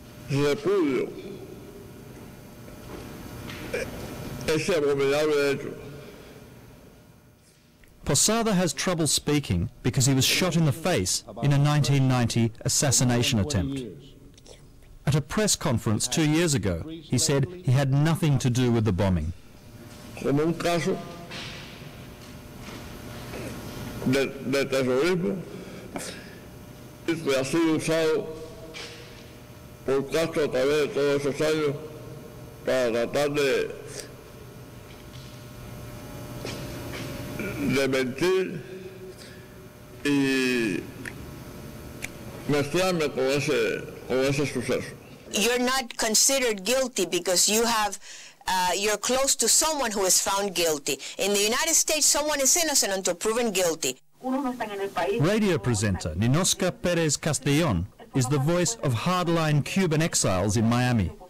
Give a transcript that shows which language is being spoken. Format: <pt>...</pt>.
<es>Repudio ese abominable hecho.</es> <en>Posada has trouble speaking because he was shot in the face in a 1990 assassination attempt. At a press conference 2 years ago, he said he had nothing to do with the bombing.</en> <es>Como un caso de terrorismo fue así usado por Castro a través de todos esos años para tratar de mentir y mezclarme con ese suceso.</es> <en>You're not considered guilty because you have you're close to someone who is found guilty. In the United States, someone is innocent until proven guilty. Radio presenter Ninoska Perez Castellón is the voice of hardline Cuban exiles in Miami.</en>